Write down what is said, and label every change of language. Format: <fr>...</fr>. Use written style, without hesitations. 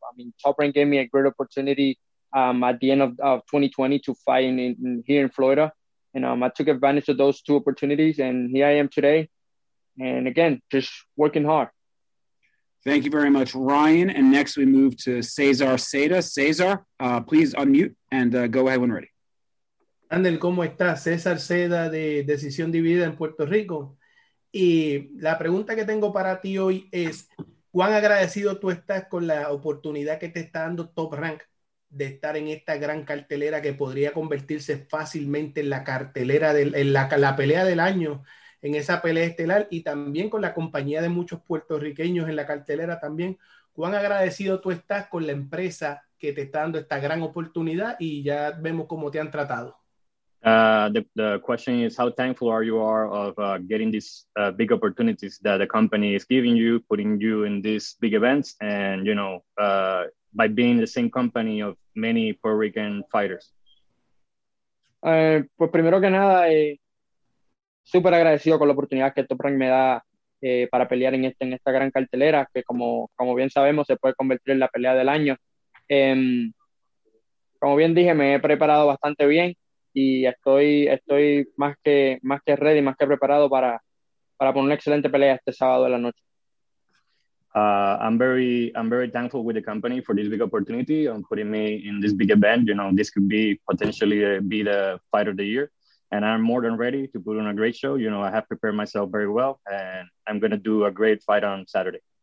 <en>I mean, Top Rank gave me a great opportunity at the end of 2020 to fight in here in Florida. And I took advantage of those two opportunities, and here I am today. And again, just working hard. Thank you very much, Ryan. And next we move to Cesar Seda. Cesar, please unmute and go ahead when ready.</en> <es>Andel, ¿cómo estás? Cesar Seda de Decisión Dividida en Puerto Rico. Y la pregunta que tengo para ti hoy es, ¿cuán agradecido tú estás con la oportunidad que te está dando Top Rank de estar en esta gran cartelera que podría convertirse fácilmente en la cartelera, en la pelea del año, en esa pelea estelar, y también con la compañía de muchos puertorriqueños en la cartelera también? ¿Cuán agradecido tú estás con la empresa que te está dando esta gran oportunidad y ya vemos cómo te han tratado?</es> <en>The question is, how thankful are you are of getting these big opportunities that the company is giving you, putting you in these big events, and, you know, by being the same company of many Puerto Rican fighters?</en> <es>Pues primero que nada, súper agradecido con la oportunidad que Top Rank me da para pelear en esta gran cartelera, que como bien sabemos se puede convertir en la pelea del año. Como bien dije, me he preparado bastante bien y estoy más que ready, más que preparado para poner una excelente pelea este sábado de la noche.</es> <en>I'm very thankful with the company for this big opportunity and putting me in this big event. You know, this could be potentially be the fight of the year, and I'm more than ready to put on a great show. You know, I have prepared myself very well, and I'm going to do a great fight on Saturday.</en>